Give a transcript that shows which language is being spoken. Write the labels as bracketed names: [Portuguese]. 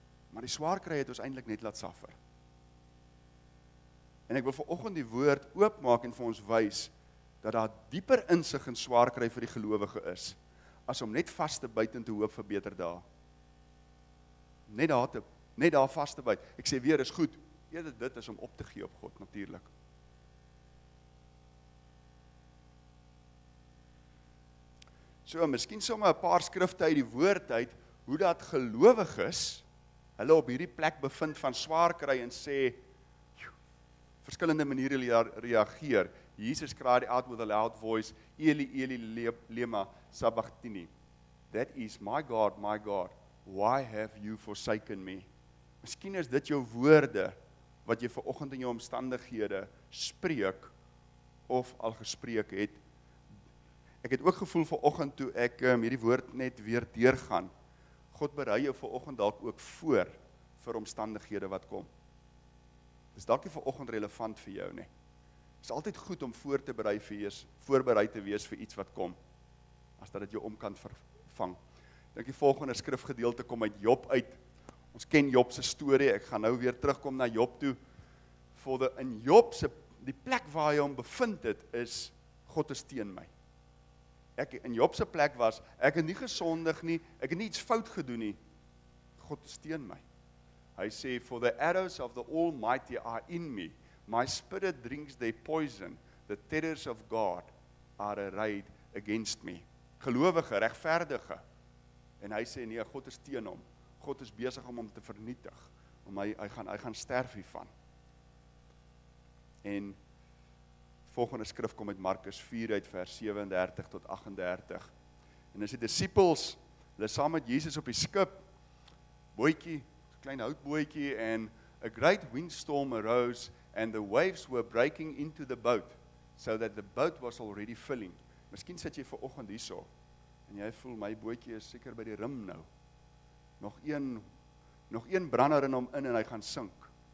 [Afrikaans] Maar die swaar kry het ons eintlik net laat suffer. En ek wil vanoggend die woord oopmaak en vir ons wys dat daar dieper insig in swaar kry vir die gelowige is as om net vas te byt en te hoop vir beter dae. Net daar vas te byt. Ek sê weer is goed. Eerder dit is om op te gee op God natuurlik. So, miskien sommer 'n paar skrifte uit die woord uit hoe dat gelowiges hulle op hierdie plek bevind van swaar kry en sê, verskillende maniere reageer. [English] Jesus cried out with a loud voice, [Aramaic] Eli, Eli, lema, sabachthani. [English] That is, my God, why have you forsaken me? [Afrikaans] Miskien is dit jou woorde, wat jy vanoggend in jou omstandighede spreek, of al gespreek het. Ek het ook gevoel vanoggend toe ek hierdie woord net weer deurgaan. God berei jou vanoggend dalk ook voor vir omstandighede wat kom. Dis dalk nie vanoggend relevant vir jou nie. Dis altyd goed om voor te berei vir iets, voorbereid te wees vir iets wat kom, as dat dit jou om kan vervang. Dink die volgende skrifgedeelte kom uit Job uit. Ons ken Job se storie. Ek gaan nou weer terugkom na Job toe. In Job se die plek waar hy hom bevind het is God is teen my. Ek in Job se plek was, ek het nie gesondig nie, ek het nie iets fout gedoen nie. God is teen my. [English] Hy sê, for the arrows of the Almighty are in me. My spirit drinks their poison. The terrors of God are arrayed against me. [Afrikaans] Gelowige, regverdige. En hy sê, nee, God is teen hom. God is besig om hom te vernietig. Om hy gaan sterf hiervan. En volgende skrif kom uit Markus 4 uit vers 37 tot 38. En as die disippels, hulle saam met Jesus op die skip, bootjie, klein houtbootjie, [English] en a great windstorm arose, and the waves were breaking into the boat, so that the boat was already filling. [Afrikaans] Miskien sit jy vanoggend hier so, en jy voel, my bootjie is seker by die rim nou. Nog een brander in hom in, en hy gaan sink.